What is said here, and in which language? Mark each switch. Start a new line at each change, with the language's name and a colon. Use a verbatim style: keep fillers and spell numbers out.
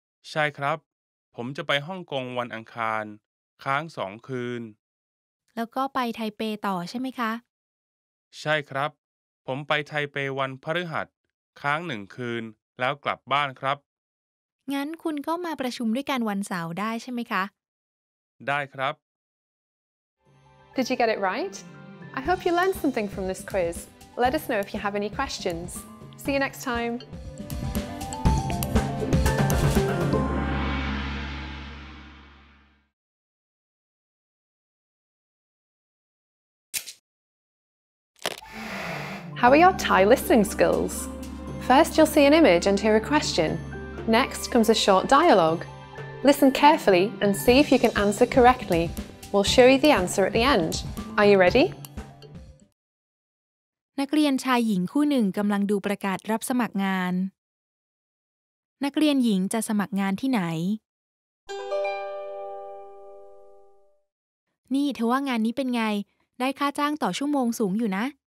Thai: ใช่ครับผมจะไปฮ่องกงวันอังคารค้างสองคืน แล้วก็ไปไทเปต่อใช่ไหมคะ ใช่ครับผมไปไทเปวันพฤหัสค้างหนึ่งคืนแล้วกลับบ้านครับ งั้นคุณก็มาประชุมด้วยกันวันเสาร์ได้ใช่ไหมคะ ได้ครับ
English: Did you get it right? I hope you learned something from this quiz. Let us know if you have any questions. See you next time. How are your Thai listening skills? First, you'll see an image and hear a question. Next comes a short dialogue. Listen carefully and see if you can answer correctly. We'll show you the answer at the end. Are you ready?
Thai: นักเรียนชายหญิงคู่หนึ่งกำลังดูประกาศรับสมัครงานนักเรียนหญิงจะสมัครงานที่ไหนนี่เธอว่างานนี้เป็นไงได้ค่าจ้างต่อชั่วโมงสูงอยู่นะ